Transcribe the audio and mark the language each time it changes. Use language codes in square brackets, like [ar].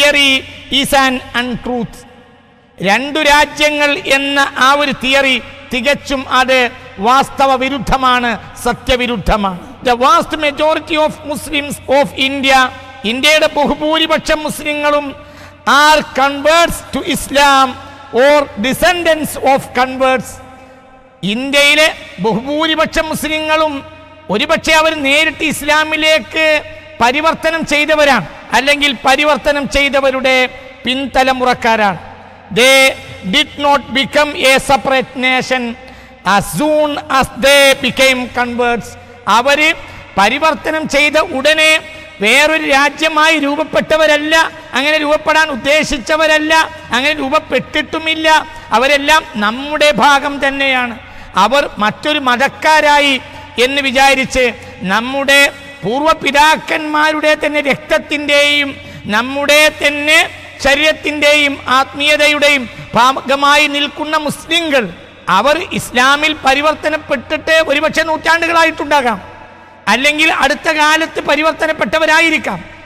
[en] The two nations theory is an untruth. [ml] രണ്ടു രാജ്യങ്ങൾ എന്ന ആ ഒരു തിയറി തികച്ചും അത് വാസ്തവ വിരുദ്ധമാണ്, സത്യവിരുദ്ധമാണ്. [en] The vast majority of Muslims of India, [ml] ഇന്ത്യയുടെ ബഹുഭൂരിപക്ഷം മുസ്ലിങ്ങളും, [en] are converts to Islam or descendants of converts. [ml] ഇന്ത്യയിലെ ബഹുഭൂരിപക്ഷം മുസ്ലിങ്ങളും ഒരുപക്ഷെ അവർ നേരിട്ട് ഇസ്ലാമിലേക്ക് പരിവർത്തനം ചെയ്തവരാണ്, അല്ലെങ്കിൽ പരിവർത്തനം ചെയ്തവരുടെ പിൻതലമുറക്കാരാണ്. [en] They did not become a separate nation as soon as they became converts. [ml] അവർ പരിവർത്തനം ചെയ്ത ഉടനെ വേറൊരു രാജ്യമായി രൂപപ്പെട്ടവരല്ല, അങ്ങനെ രൂപപ്പെടാൻ ഉദ്ദേശിച്ചവരല്ല, അങ്ങനെ രൂപപ്പെട്ടിട്ടുമില്ല. അവരെല്ലാം നമ്മുടെ ഭാഗം തന്നെയാണ്. അവർ മറ്റൊരു മതക്കാരായി എന്ന് വിചാരിച്ച് നമ്മുടെ പൂർവപിതാക്കന്മാരുടെ തന്നെ രക്തത്തിൻ്റെയും നമ്മുടെ തന്നെ ശരീരത്തിൻ്റെയും ആത്മീയതയുടെയും ഭാഗമായി നിൽക്കുന്ന മുസ്ലിങ്ങൾ, അവർ ഇസ്ലാമിൽ പരിവർത്തനപ്പെട്ടിട്ട് ഒരുപക്ഷെ 100 ആണ്ടുകളായിട്ടുണ്ടാകാം, അല്ലെങ്കിൽ അടുത്ത കാലത്ത് പരിവർത്തനപ്പെട്ടവരായിരിക്കാം.